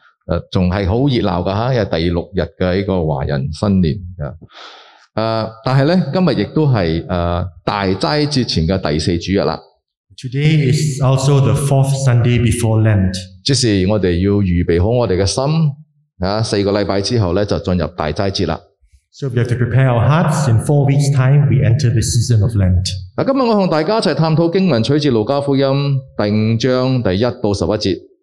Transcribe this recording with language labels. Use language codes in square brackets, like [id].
[zh] 還是很熱鬧的, 第六天的華人新年, 但是呢,今天也是, 大齋節前的第四主日了。 [en] Today is also the fourth Sunday before Lent. [zh] 就是我們要預備好我們的心, 4個星期之後就進入大齋節了。 [en] So we have to prepare our hearts. In 4 weeks' time, we enter the season of Lent. [zh] 今天我和大家一起探讨经文取自路加福音第5章第1到11节。